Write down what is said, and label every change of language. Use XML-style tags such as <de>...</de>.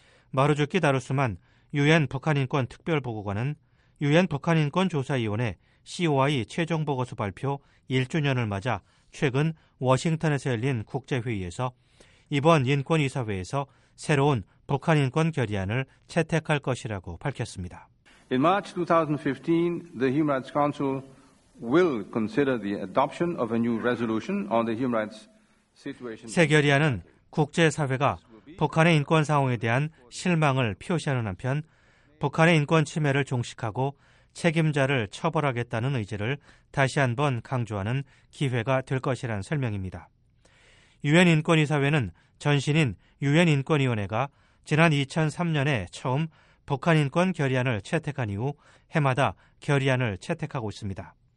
<ko>마루즈키 다루스만 유엔 북한인권특별보고관은 유엔 북한인권조사위원회 COI 최종보고서 발표 1주년을 맞아 최근 워싱턴에서 열린 국제회의에서 이번 인권이사회에서 새로운 북한인권결의안을 채택할 것이라고 밝혔습니다.</ko> <en>In March 2015, the Human Rights Council will consider the adoption of a new resolution on the human rights situation.</en> <ko>새 결의안은 국제사회가 북한의 인권 상황에 대한 실망을 표시하는 한편 북한의 인권 침해를 종식하고 책임자를 처벌하겠다는 의지를 다시 한번 강조하는 기회가 될 것이라는 설명입니다. 유엔 인권이사회는 전신인 유엔 인권위원회가 지난 2003년에 처음 북한 인권 결의안을 채택한 이후 해마다 결의안을 채택하고 있습니다.</ko>